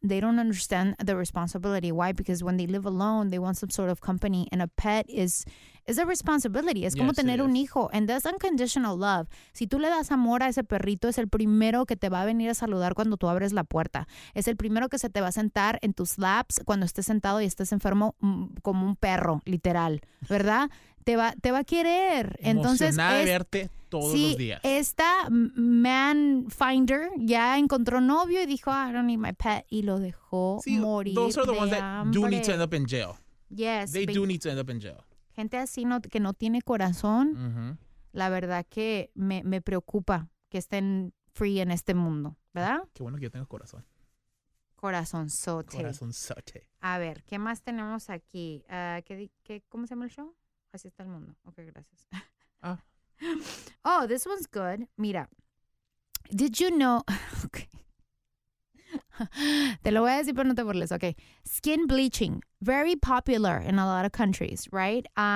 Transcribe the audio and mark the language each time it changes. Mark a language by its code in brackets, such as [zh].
[en] They don't understand the responsibility. Why? Because when they live alone, they want some sort of company. And a pet is a responsibility. [es] Es como tener un hijo. [en] And that's unconditional love. [es] Si tú le das amor a ese perrito, es el primero que te va a venir a saludar cuando tú abres la puerta. Es el primero que se te va a sentar en tus laps cuando estés sentado y estés enfermo como un perro, literal. ¿Verdad? Te va a querer. Entonces, emocionada de verte todos sí, los días. Esta man finder ya encontró novio y dijo, [en] I don't need my pet, [es] y lo dejó morir. [en] Those are the ones [es] hambre. [en] That do need to end up in jail. Yes. They do need to end up in jail. [es] Gente así no, que no tiene corazón, la verdad que me preocupa que estén free en este mundo, ¿verdad? Qué bueno que yo tengo corazón. Corazonzote. Corazonzote. A ver, ¿qué más tenemos aquí? ¿Cómo se llama el show? Así está el mundo. Okay, gracias. Ah. [en] Oh, this one's good. Mira. Did you know? Okay. [es] Te lo voy a decir, pero no te burles. [en] Okay. Skin bleaching. Very popular in a lot of countries, right?